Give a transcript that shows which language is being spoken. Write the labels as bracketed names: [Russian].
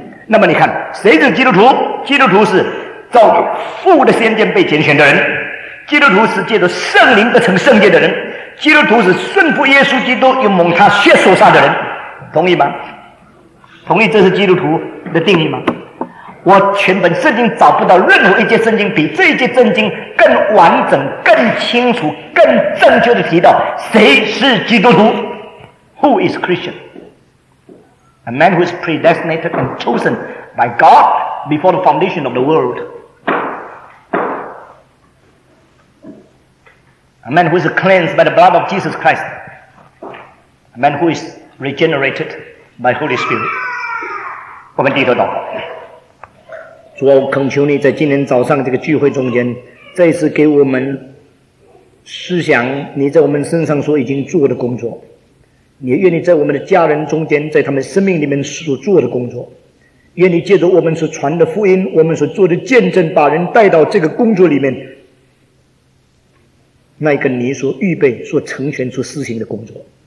[Chinese] 那么你看，谁是基督徒？基督徒是造父的先见被拣选的人，基督徒是借着圣灵得成圣洁的人，基督徒是顺服耶稣基督又蒙他血所杀的人，同意吗？同意这是基督徒的定义吗？我全本圣经找不到任何一节圣经比这一节圣经更完整、更清楚、更正确地提到谁是基督徒。 [English] Who is Christian? A man who is predestinated and chosen by God before the foundation of the world. A man who is cleansed by the blood of Jesus Christ. A man who is regenerated by Holy Spirit. [Chinese] 我们低头祷告。主啊，我恳求你在今天早上这个聚会中间，再次给我们思想你在我们身上所已经做的工作。也愿你在我们的家人中间，在他们生命里面所做的工作。愿你借着我们所传的福音，我们所做的见证，把人带到这个工作里面，那一个你所预备所成全出施行的工作。